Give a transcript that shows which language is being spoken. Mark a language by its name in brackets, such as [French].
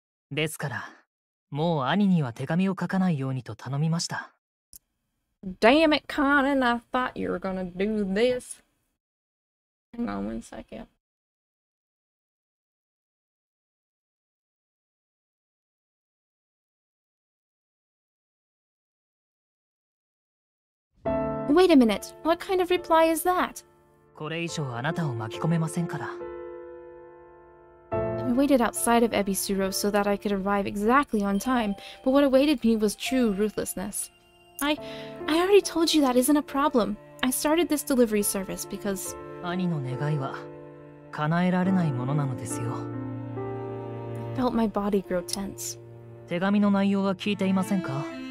[Japanese] ですから、もう兄には手紙を書かないようにと頼みました。 [English] Damn it, Kanan, I thought you were gonna do this. Hang on one second. Wait a minute, what kind of reply is that? [Japanese] これ以上あなたを巻き込めませんから。 [English] I waited outside of Ebisuro so that I could arrive exactly on time, but what awaited me was true ruthlessness. I already told you that isn't a problem. I started this delivery service because... [Japanese] 兄の願いは叶えられないものなのですよ。 [English] I felt my body grow tense. [Japanese] 手紙の内容は聞いていませんか?